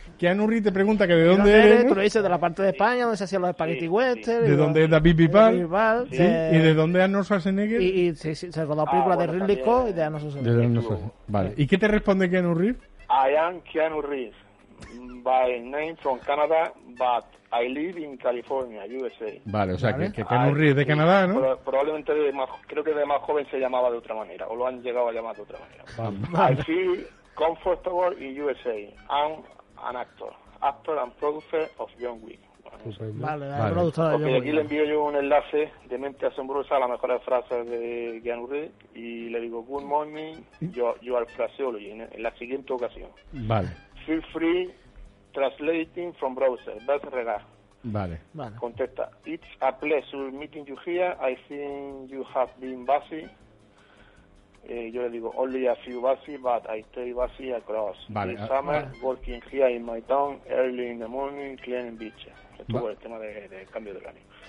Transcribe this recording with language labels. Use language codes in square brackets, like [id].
[es] Keanu Reeves te pregunta que de dónde eres. Tú lo dices de la parte de España, donde se hacían los espagueti western. ¿De dónde es David Bisbal? Sí. ¿Y de dónde es Arnold Schwarzenegger? Y se rodó la película de Ridley Scott y de Arnold Schwarzenegger. Vale. ¿Y qué te responde Keanu Reeves? [en] I am Keanu Reeves. By name from Canada, but I live in California, USA. [es] Vale, o sea, ¿vale? Que Keanu Reeves de Canadá, ¿no? Probablemente de más joven se llamaba de otra manera, o lo han llegado a llamar de otra manera. Vale. [en] I feel comfortable in USA. I'm an actor and producer of John Wick. [es] Vale, productor de John Wick. Aquí le envío yo un enlace de mente asombrosa a la mejor frase de Keanu Reeves y le digo, [en] good morning, you are phraseology, [es] en la siguiente ocasión. Vale. [en] Feel free translating from browser. Best regard. [es] Vale. Contesta. [en] It's a pleasure meeting you here. I think you have been busy. [es] Yo le digo, [en] only a few busy, but I stay busy across. [es] Vale. [en] This summer, working here in my town, early in the morning, cleaning beaches. [es] Estuvo el tema de cambio de horario.